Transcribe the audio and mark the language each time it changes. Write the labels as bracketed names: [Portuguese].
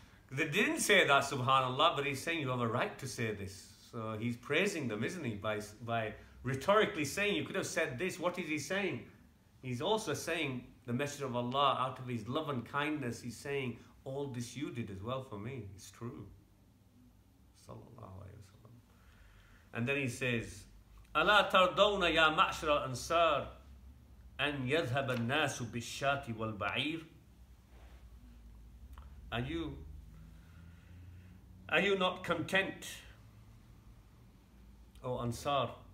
[English] They didn't say that, subhanAllah, but he's saying you have a right to say this. So he's praising them, isn't he? By rhetorically saying, you could have said this. What is he saying? He's also saying, the Messenger of Allah, out of his love and kindness, he's saying, all this you did as well for me. It's true. Sallallahu alayhi wasallam. And then he says, [Arabic] أَلَا تَرْضَوْنَ يَا مَعْشَرَ الْأَنْصَارِ أَنْ يَذْهَبَ النَّاسُ بِالشَّاتِ وَالْبَعِيرِ. [English] Are you not content, O Ansar?